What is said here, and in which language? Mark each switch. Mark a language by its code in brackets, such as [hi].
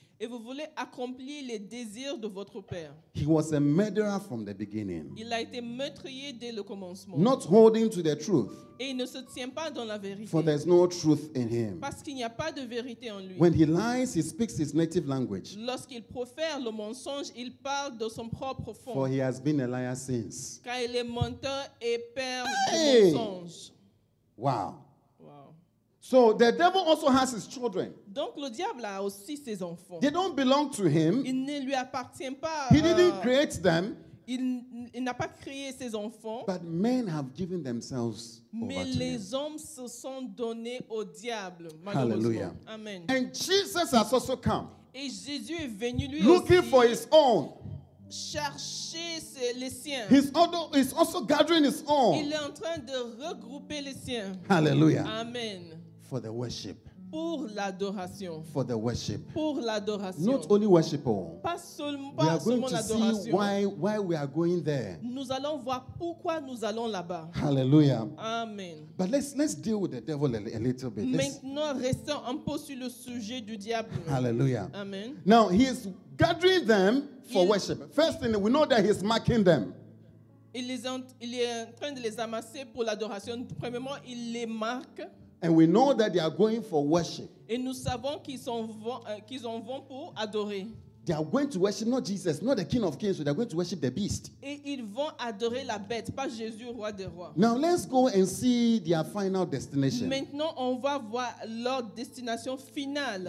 [fr] Et vous voulez accomplir les désirs de votre père. [en] He was a murderer from the beginning. [fr] Il a été meurtrier dès le commencement. [en] Not holding to the truth. [fr] Et il ne se tient pas dans la vérité. [en] For there's no truth in him. [fr] Parce qu'il n'y a pas de vérité en lui. [en] When he lies, he speaks his native language. [fr] Lorsqu'il profère le mensonge, il parle de son propre fond. [en] For he has been a liar since. [fr] Car il est menteur et père de mensonge. [en] Wow. So the devil also has his children. [fr] Donc le diable a aussi ses enfants. [en] They don't belong to him. [fr] Il ne lui appartient pas. [en] He didn't create them. [fr] Il n'a pas créé ses enfants. [en] But men have given themselves [fr] mais [en] over [fr] les [en] to him. [fr] Hommes se sont donnés au diable. [en] Hallelujah. [fr] Amen. [en] And Jesus has also come. [fr] Et Jésus est venu lui [en] looking [fr] aussi [en] for his own. [fr] Chercher les siens. [en] He's also gathering his own. [fr] Il est en train de regrouper les siens. [en] Hallelujah. [fr] Amen. [en] For the worship. [fr] Pour l'adoration. [en] For the worship. [fr] Pour l'adoration. [en] Not only worship. [fr] Pas seulement l'adoration. [en] We are going to see why we are going there. [fr] Nous allons voir pourquoi nous allons là-bas. [en] Hallelujah. [fr] Amen. [en] But let's deal with the devil a little bit. [fr] Maintenant, restons un peu sur le sujet du diable. [en] Hallelujah. [fr] Amen. [en] Now he is gathering them for worship. First thing, we know that he is marking them. [fr] Il est en train de les amasser pour l'adoration. Premièrement, il les marque. [en] And we know that they are going for worship. [fr] Et nous savons qu'ils en vont pour adorer. [en] They are going to worship not Jesus, not the King of Kings, so they are going to worship the beast. [fr] Et ils vont adorer la bête, pas Jésus, roi des rois. [en] Now let's go and see their final destination. [fr] Maintenant, on va voir leur destination finale.